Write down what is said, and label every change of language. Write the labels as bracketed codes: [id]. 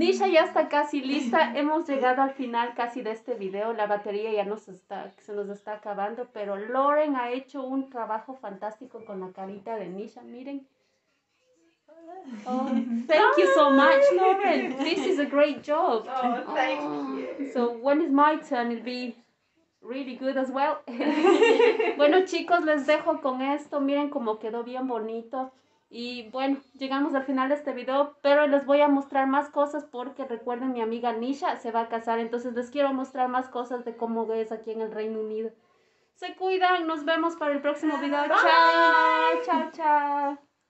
[es] ya está casi lista, hemos llegado al final casi de este video, la batería ya se nos está acabando, pero Lauren ha hecho un trabajo fantástico con la carita de Nisha, miren. [en] Thank you so much, Lauren, this is a great job. Oh, thank you. So when is my turn, it'll be really good as well. [es] Bueno chicos, les dejo con esto, miren cómo quedó bien bonito. Y bueno, llegamos al final de este video, pero les voy a mostrar más cosas porque recuerden, mi amiga Nisha se va a casar, entonces les quiero mostrar más cosas de cómo es aquí en el Reino Unido. Se cuidan, nos vemos para el próximo video. Chao, chao, chao.